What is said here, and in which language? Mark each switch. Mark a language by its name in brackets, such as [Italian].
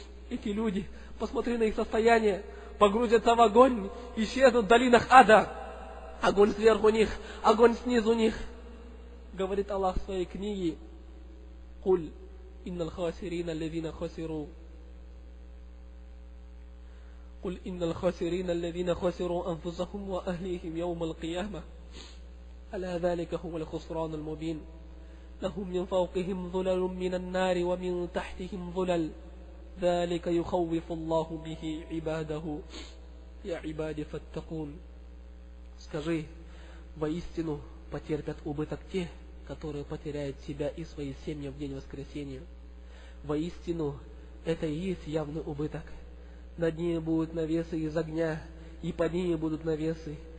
[Russian] Эти люди, посмотри на их состояние, погрузятся в огонь, исчезнут в долинах ада. Огонь сверху них, огонь снизу них. Говорит Аллах в своей книге, [Arabic] «Куль, иннал хасирина левина хасиру». قل إن الخاسرين الذين خسروا أنفسهم وأهليهم يوم القيامة ألا ذلك هو الخسران المبين لهم من فوقهم ظلل من النار ومن تحتهم ظلل ذلك يخوف الله به عباده يا عباد فاتقون. [Russian] Скажи, воистину потерпят убыток те, которые потеряют себя и свои семьи в день воскресения. Воистину, это и есть явный убыток. Над ними будут навесы из огня, и под ними будут навесы.